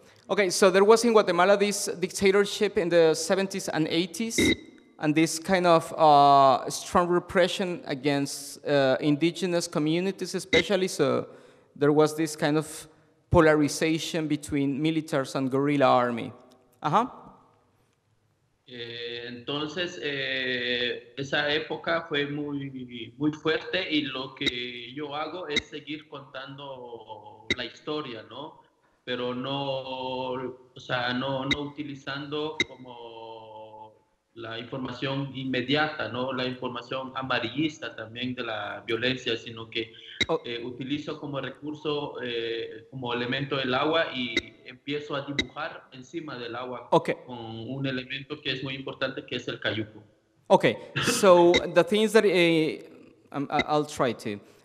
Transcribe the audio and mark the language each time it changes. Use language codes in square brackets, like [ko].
[en] Okay, so there was in Guatemala this dictatorship in the 70s and 80s, and this kind of strong repression against indigenous communities especially, so... There was this kind of polarization between militars and guerrilla army. Ajá. [es] Entonces, esa época fue muy, muy fuerte y lo que yo hago es seguir contando la historia, ¿no? Pero no, o sea, no utilizando como la información inmediata, ¿no? La información amarillista también de la violencia, sino que utilizo como recurso, como elemento el agua y empiezo a dibujar encima del agua con un elemento que es muy importante, que es el cayuco. [en] Okay, so the things that I'll try to.